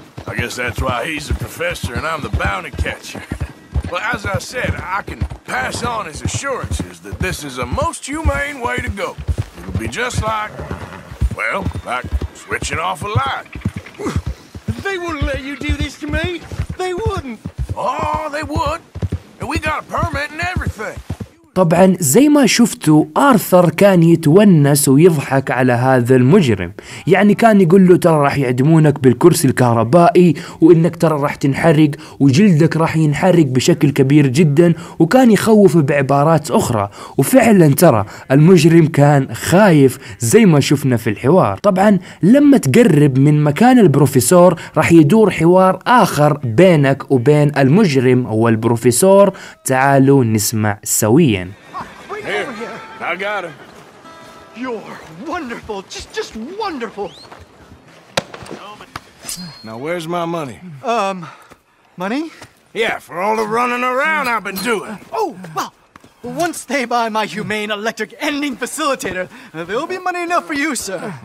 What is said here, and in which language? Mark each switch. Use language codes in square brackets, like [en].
[en] I guess that's why he's the professor and I'm the bounty catcher. Well, as I said, I can pass on his assurances that this is a most humane way to go. It'll be just like, well, like switching off a light. They wouldn't let you do this to me. They wouldn't. Oh, they would. And we got a permit and everything. [ar] طبعا زي ما شفتوا آرثر كان يتونس ويضحك على هذا المجرم، يعني كان يقول له ترى راح يعدمونك بالكرسي الكهربائي وإنك ترى راح تنحرق وجلدك راح ينحرق بشكل كبير جدا، وكان يخوف بعبارات أخرى. وفعلا ترى المجرم كان خايف زي ما شفنا في الحوار. طبعا لما تقرب من مكان البروفيسور راح يدور حوار آخر بينك وبين المجرم والبروفيسور. تعالوا نسمع سويا. [en] Here, I got him. You're wonderful, just wonderful. Now, where's my money? Money? Yeah, for all the running around I've been doing. Oh, well, Once they buy my humane electric ending facilitator, there'll be money enough for you, sir.